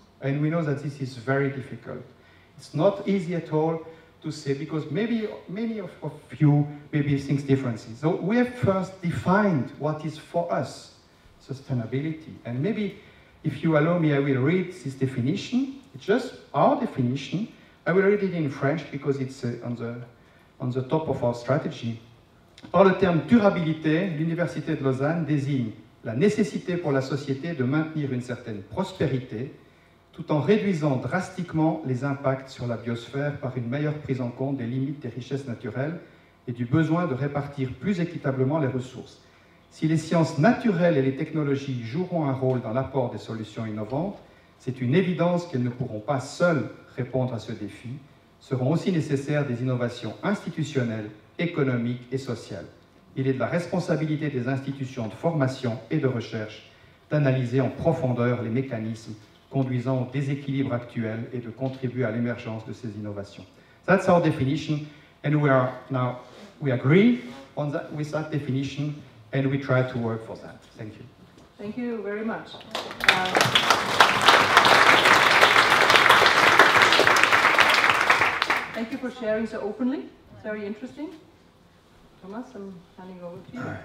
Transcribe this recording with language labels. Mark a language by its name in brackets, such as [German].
[English] And we know that this is very difficult. It's not easy at all to say, because maybe many of you maybe think differently. So we have first defined what is for us sustainability. And maybe if you allow me, I will read this definition. It's just our definition. I will read it in French because it's on the top of our strategy. [French] Par le terme durabilité, l'Université de Lausanne désigne la nécessité pour la société de maintenir une certaine prospérité tout en réduisant drastiquement les impacts sur la biosphère par une meilleure prise en compte des limites des richesses naturelles et du besoin de répartir plus équitablement les ressources. Si les sciences naturelles et les technologies joueront un rôle dans l'apport des solutions innovantes, c'est une évidence qu'elles ne pourront pas seules répondre à ce défi. Seront aussi nécessaires des innovations institutionnelles, économiques et sociales. Il est de la responsabilité des institutions de formation et de recherche d'analyser en profondeur les mécanismes conduisant au déséquilibre actuel et de contribuer à l'émergence de ces innovations. [English] That's our definition, and we agree on that, with that definition, and we try to work for that. Thank you. Thank you very much. Thank you for sharing so openly. It's very interesting. Thomas, I'm handing over to you.